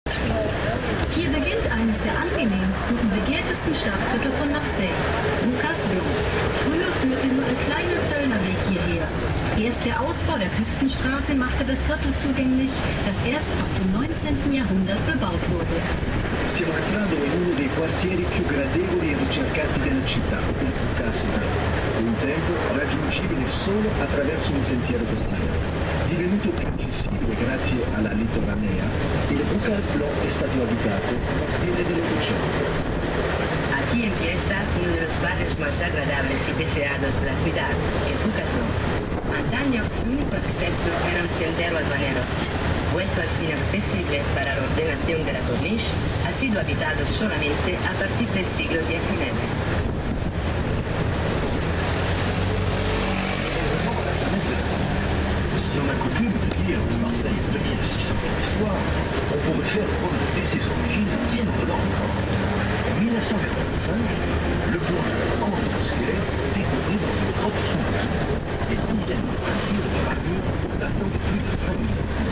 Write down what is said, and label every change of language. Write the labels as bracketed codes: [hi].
[de] Hier beginnt eines der angenehmsten und begehrtesten Stadtviertel von Marseille, Boucasbleu. Früher führte nur ein kleiner Zöllnerweg hierher. Erst der Ausbau der Küstenstraße machte das Viertel zugänglich, das erst ab dem 19. Jahrhundert bebaut wurde. [it] Stiamo entrando in uno dei quartieri più gradevoli e ricercati della città, il Boucasbleu. Un tempo raggiungibile solo attraverso un sentiero costiero. Divenuto più accessibile grazie alla litoranea, il Boucasbleu è stato abitato a partire dell'Ottocento. [es] Qui empieza uno de los barrios más agradables y deseados de la ciudad, el Boucasbleu. Antaño, su único acceso era un sendero aduanero. Vuelto al fin accesible para la ordenación de la corniche, ha sido habitado solamente a partir del siglo XIX. [fr] Si on a coutume de dire que Marseille est 2600 ans d'histoire, on pourrait faire remonter ses origines bien au-delà encore. En 1945, le plongeur André Bousquet découvrit dans une grotte sous-marine des dizaines de peintures de gravures datant de plus de 20 000 ans.